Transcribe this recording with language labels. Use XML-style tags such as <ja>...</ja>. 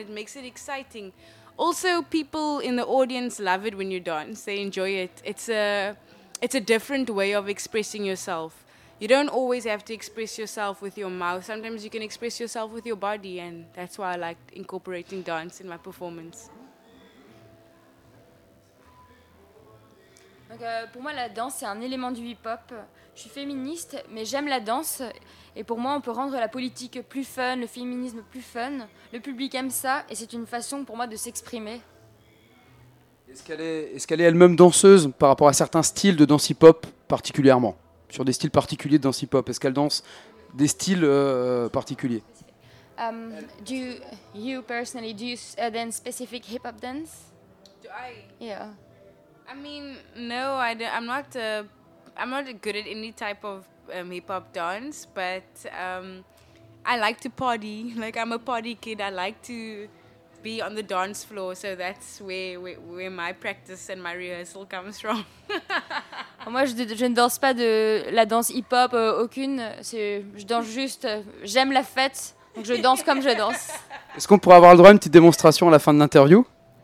<en>It makes it exciting. Also, people in the audience love it when you dance. They enjoy it. It's a different way of expressing yourself. You don't always have to express yourself with your mouth. Sometimes you can express yourself with your body, and that's why I like incorporating dance in my performance.</en> <fr>Donc, pour moi, la danse, c'est un élément du hip-hop. Je suis féministe, mais j'aime la danse. Et pour moi, on peut rendre la politique plus fun, le féminisme plus fun. Le public aime ça, et c'est une façon pour moi de s'exprimer. Est-ce qu'elle est elle-même danseuse par rapport à certains styles de danse hip-hop particulièrement ? Sur des styles particuliers de danse hip-hop, est-ce qu'elle danse des styles particuliers ?</fr> <en>Do you personally dance specific hip-hop dance ? Do I ? Yeah. I mean, no, I don't, I'm not good at any type of hip-hop dance, but I like to party. Like, I'm a party kid. I like to be on the dance floor, so that's where my practice and my rehearsal comes from.</en> <fr>Moi, je ne danse pas de la danse hip-hop, aucune. Je danse juste, j'aime la fête, donc je danse comme je danse. Est-ce qu'on pourrait avoir le droit à une petite démonstration à la fin de l'interview ?</fr>